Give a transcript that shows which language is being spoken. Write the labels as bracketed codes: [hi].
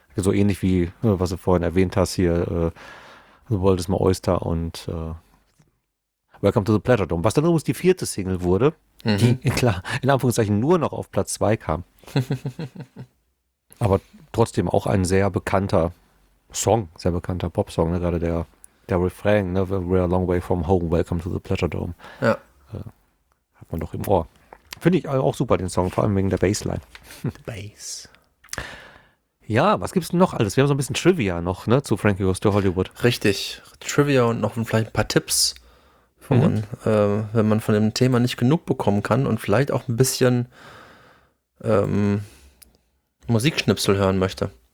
[de] So ähnlich wie, was du vorhin erwähnt hast hier, The World is My Oyster und Welcome to the Pleasure Dome. Was dann übrigens die vierte Single wurde. Die, klar, in Anführungszeichen nur noch auf Platz 2 kam. Aber trotzdem auch ein sehr bekannter Song, sehr bekannter Popsong, ne? Gerade der Refrain, ne? [en] We're a long way from home, welcome to the Pleasure Dome. [de] Ja. Hat man doch im Ohr. Finde ich auch super, den Song, vor allem wegen der Bassline. [en] The Bass. [de] Ja, was gibt's denn noch alles? Wir haben so ein bisschen Trivia noch, ne, zu Frankie Goes to Hollywood. Richtig, Trivia und noch vielleicht ein paar Tipps. Wenn man von dem Thema nicht genug bekommen kann und vielleicht auch ein bisschen Musikschnipsel hören möchte.